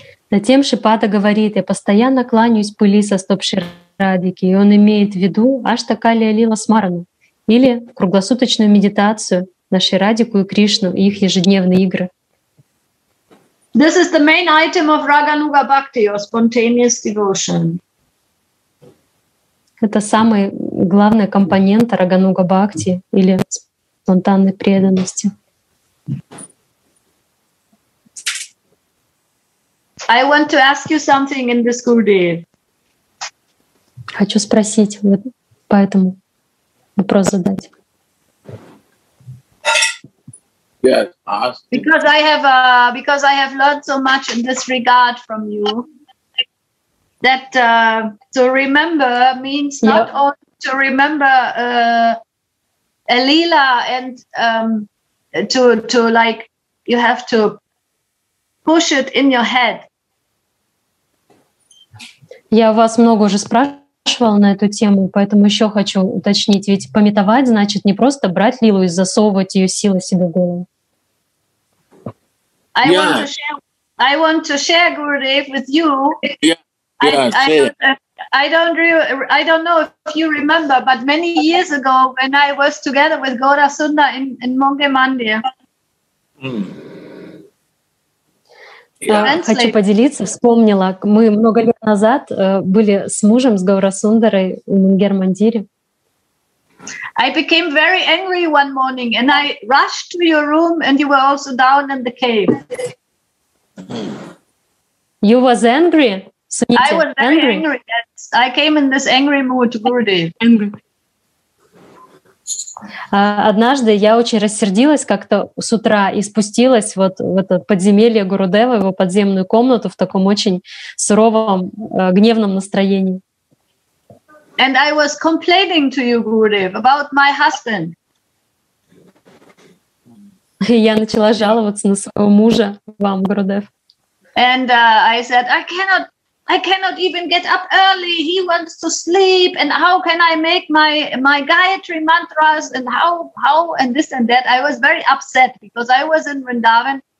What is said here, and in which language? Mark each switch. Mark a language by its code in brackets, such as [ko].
[ru] Затем Шипада говорит: я постоянно кланяюсь пыли со стоп Радики, и он имеет в виду Аштакалия Лила Смарану или круглосуточную медитацию на Ширадику и Кришну и их ежедневные игры. [en] This is the main item of Raganuga Bhakti or spontaneous devotion. [ru] Это самый главный компонент Рагануга Бхакти или спонтанной преданности. [en] I want to ask you something in this Gurudev. [ru] Хочу спросить, вот поэтому вопрос задать. [en] Yes, ask. Because I have learned so much in this regard from you. That to remember means not only to remember a lila and to like you have to push it in your head. [ru] Я вас много уже спрашивала на эту тему, поэтому еще хочу уточнить. Ведь памятовать значит не просто брать лилу и засовывать ее силой себе в голову. [en] I want to share Gurudev with you. I don't know if you remember, but many years ago when I was together with Gaura Sunda in Monge Mandir. [ru] Хочу поделиться, вспомнила. Мы много лет назад были с мужем, с Гаурасундарой в Мунгер-Мандире. [en] I became very angry one morning and I rushed to your room and you were also down in the cave. You was angry? Sunita, I was very angry. I came in this angry mood to Gurudev. Angry. [ru] Однажды я очень рассердилась как-то с утра и спустилась вот в это подземелье Гурудева, его подземную комнату в таком очень суровом, гневном настроении. [en] And I was complaining to you, Gurudev, about my husband. [ru] И я начала жаловаться на своего мужа, вам, Гурудев. [en] And I said, I cannot even get up early. He wants to sleep. And how can I make my Gayatri mantras? And how and this and that. I was very upset because I was in Vrindavan.